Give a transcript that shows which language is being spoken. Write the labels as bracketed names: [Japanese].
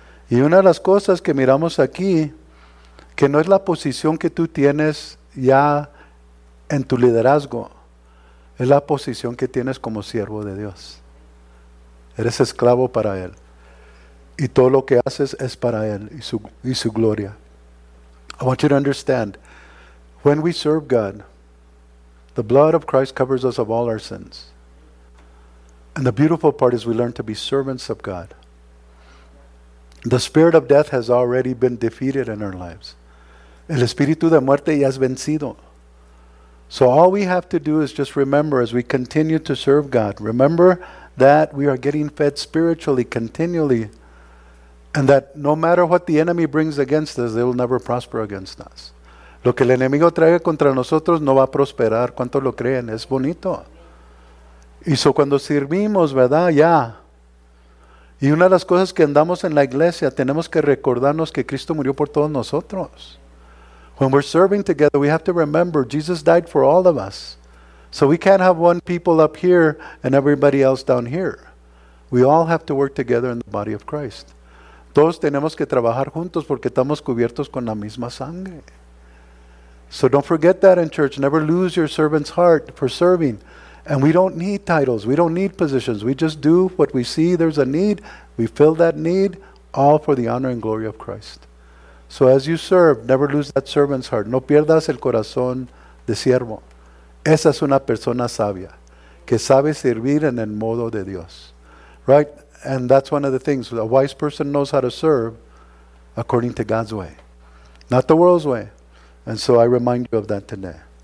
[Spanish] Y una de las cosas que miramos aquí, que no es la posición que tú tienes ya en tu liderazgo, es la posición que tienes como siervo de Dios. Eres esclavo para Él. Y todo lo que haces es para Él y su gloria. [English] I want you to understand, when we serve God, the blood of Christ covers us of all our sins. And the beautiful part is we learn to be servants of God. The spirit of death has already been defeated in our lives. [Spanish] El espíritu de muerte ya es vencido. [English] So all we have to do is just remember as we continue to serve God, remember that we are getting fed spiritually continually, and that no matter what the enemy brings against us, they will never prosper against us. [Spanish] Lo que el enemigo traiga contra nosotros no va a prosperar. ¿Cuánto lo creen? Es bonito. Y so cuando servimos, ¿verdad? Y una de las cosas que andamos en la iglesia, tenemos que recordarnos que Cristo murió por todos nosotros. [English] When we're serving together, we have to remember Jesus died for all of us. So we can't have one people up here and everybody else down here. We all have to work together in the body of Christ. Todos tenemos que trabajar juntos porque estamos cubiertos con la misma sangre. So don't forget that in church. Never lose your servant's heart for serving. And we don't need titles. We don't need positions. We just do what we see. There's a need. We fill that need, all for the honor and glory of Christ. So as you serve, never lose that servant's heart. [Spanish] No pierdas el corazón de siervo. Esa es una persona sabia que sabe servir en el modo de Dios. [English] Right? And that's one of the things. A wise person knows how to serve according to God's way, not the world's way. And so I remind you of that today.